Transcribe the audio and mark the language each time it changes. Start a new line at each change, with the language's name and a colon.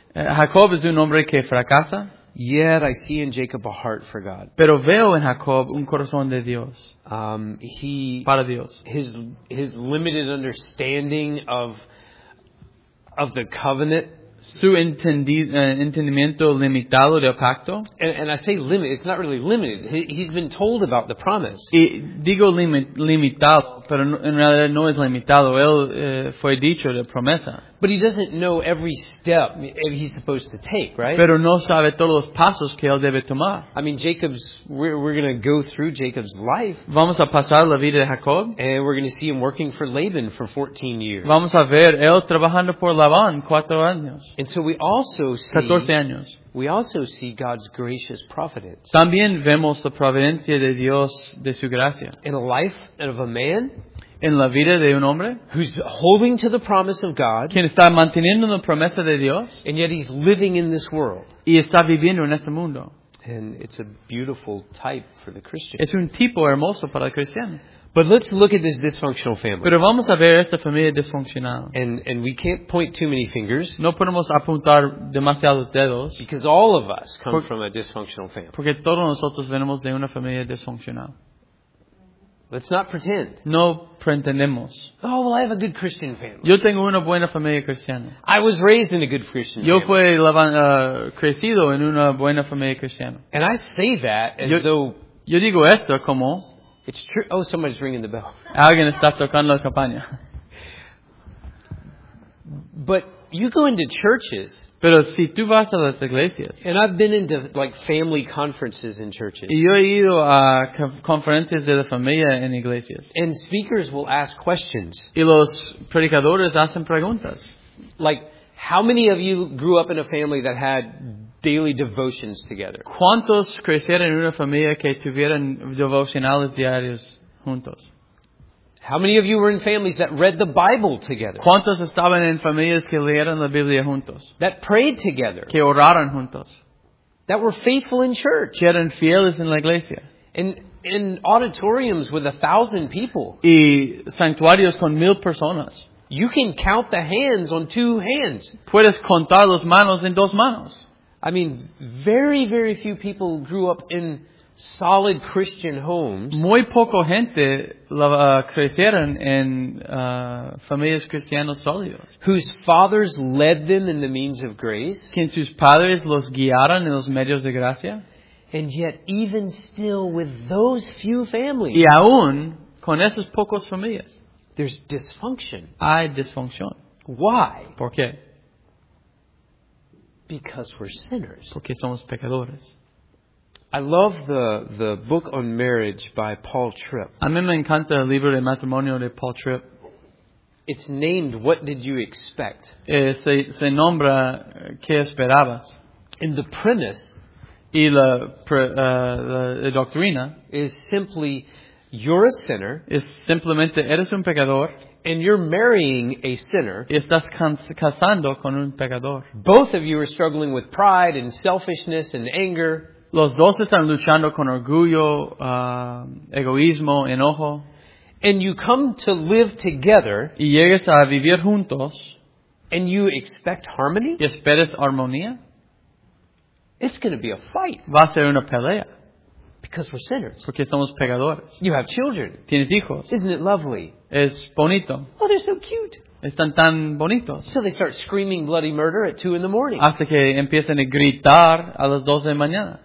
Spanish: Jacob es un hombre que fracasa.
English: Yet I see in Jacob a heart for God.
Spanish: Pero veo en Jacob un corazón de Dios.
English: He
Spanish: para Dios.
English: His limited understanding of the covenant.
Spanish: Su entendimiento limitado del pacto.
English: And I say limit. It's not really limited. He's been told about the promise.
Spanish: Y digo limitado, pero en realidad no es limitado. Él fue dicho de promesa.
English: But he doesn't know every step he's supposed to take, right?
Spanish: Pero no sabe todos los pasos que él debe tomar.
English: I mean, we're going to go through Jacob's life.
Spanish: Vamos a pasar la vida de Jacob.
English: And we're going to see him working for Laban for 14 years.
Spanish: Vamos a ver él trabajando por Labán 4 años.
English: And so we also see
Spanish: 14 años.
English: We also see God's gracious providence.
Spanish: También vemos la providencia de Dios de su gracia.
English: In the life of a man.
Spanish: En la vida de un hombre
English: who's holding to the promise of God,
Spanish: quien está manteniendo la promesa de Dios,
English: and yet he's living in this world,
Spanish: y está viviendo en este mundo,
English: and it's a beautiful type for the Christian.
Spanish: Es un tipo hermoso para el cristiano.
English: But let's look at this dysfunctional family.
Spanish: Pero vamos a ver esta familia disfuncional.
English: And we can't point too many fingers.
Spanish: No podemos apuntar demasiados dedos.
English: Because all of us come from a dysfunctional family.
Spanish: Porque todos nosotros venimos de una familia disfuncional.
English: Let's not pretend.
Spanish: No pretendemos.
English: Oh, well, I have a good Christian family.
Spanish: Yo tengo una buena familia cristiana.
English: I was raised in a good Christian
Spanish: yo
English: family.
Spanish: Yo fui crecido en una buena familia cristiana.
English: And I say that as
Spanish: yo,
English: though...
Spanish: Yo digo esto como...
English: It's true. Oh, somebody's ringing the bell.
Spanish: Alguien está tocando la campana.
English: But you go into churches...
Spanish: Pero si tú vas a las iglesias,
English: and I've been into like family conferences in churches.
Spanish: Y yo he ido a conferencias de la familia en iglesias.
English: And speakers will ask questions.
Spanish: Y los predicadores hacen preguntas.
English: Like, how many of you grew up in a family that had daily devotions together?
Spanish: ¿Cuántos crecieron en una familia que tuvieron devocionales diarios juntos?
English: How many of you were in families that read the Bible together?
Spanish: ¿Cuántos estaban en familias que leyeron la Biblia juntos?
English: That prayed together.
Spanish: Que oraron juntos.
English: That were faithful in church.
Spanish: Que eran fieles en la iglesia.
English: In auditoriums with 1,000 people.
Spanish: Y santuarios con 1,000 personas.
English: You can count the hands on 2 hands.
Spanish: Puedes contar las manos en 2 manos.
English: I mean, very, very few people grew up in solid Christian homes.
Spanish: Muy poco gente crecieron en familias cristianas sólidas.
English: Whose fathers led them in the means of grace.
Spanish: Quien sus padres los guiaron en los medios de gracia.
English: And yet, even still, with those few families.
Spanish: Y aún con esas pocas familias.
English: There's dysfunction.
Spanish: Hay disfunción.
English: Why?
Spanish: ¿Por qué?
English: Because we're sinners.
Spanish: Porque somos pecadores.
English: I love the book on marriage by Paul Tripp.
Spanish: A mí me encanta el libro de matrimonio de Paul Tripp.
English: It's named What Did You Expect?
Spanish: Se nombra ¿Qué esperabas?
English: And the premise
Spanish: y la doctrina
English: is simply you're a sinner.
Spanish: Es simplemente eres un pecador.
English: And you're marrying a sinner.
Spanish: Estás casando con un pecador.
English: Both of you are struggling with pride and selfishness and anger.
Spanish: Los dos están luchando con orgullo, egoísmo, enojo.
English: And you come to live together.
Spanish: Y llegas a vivir juntos.
English: And you expect harmony.
Spanish: Y esperas armonía.
English: It's going to be a fight.
Spanish: Va a ser una pelea.
English: Because we're sinners.
Spanish: Porque somos pecadores.
English: You have children.
Spanish: Tienes hijos.
English: Isn't it lovely?
Spanish: Es bonito.
English: Oh, they're so cute.
Spanish: Están tan bonitos.
English: Until they start screaming bloody murder at 2 in the morning.
Spanish: Hasta que empiezan a gritar a las 2 de mañana.